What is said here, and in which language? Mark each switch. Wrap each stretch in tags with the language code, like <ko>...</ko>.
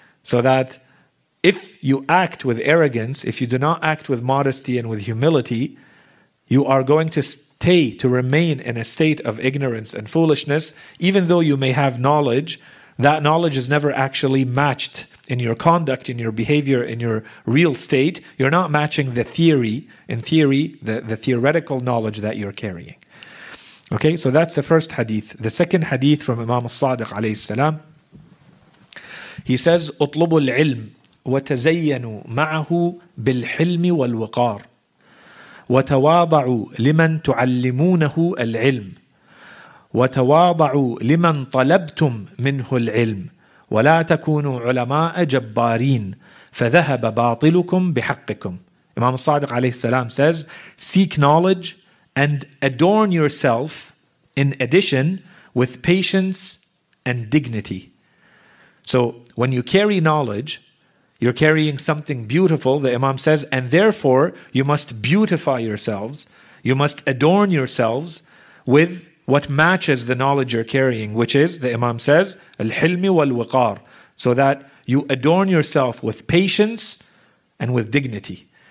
<en>So that if you act with arrogance, if you do not act with modesty and with humility, you are going to stay, to remain in a state of ignorance and foolishness, even though you may have knowledge. That knowledge is never actually matched in your conduct, in your behavior, in your real state. You're not matching the theory, in theory, the theoretical knowledge that you're carrying. Okay, so that's the first hadith. The second hadith from Imam al-Sadiq alayhi salam, he says,</en> <ar>اطلبوا العلم وتزينوا معه بالحلم والوقار وتواضعوا لمن تعلمونه العلم وتواضعوا لمن طلبتم منه العلم ولا تكونوا علماء جبارين فذهب باطلكم بحقكم.</ar> <en>Imam Sadiq alayhi salam says, seek knowledge and adorn yourself in addition with patience and dignity. So when you carry knowledge, you're carrying something beautiful, the Imam says, and therefore you must beautify yourselves, you must adorn yourselves with what matches the knowledge you're carrying, which is, the Imam says,</en> <ar>الْحِلْمِ وَالْوِقَارِ,</ar> <en>so that you adorn yourself with patience and with dignity.</en>